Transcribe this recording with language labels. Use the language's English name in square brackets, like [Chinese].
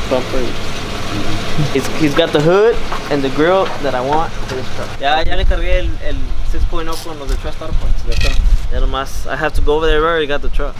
[English] He's got the hood and the grill that I want for this truck. Yeah, [Spanish] ya le cargué el 6.0 con los de [English] truck starter points. [Spanish] Ya nomás, [English] I have to go over there. I already got the truck.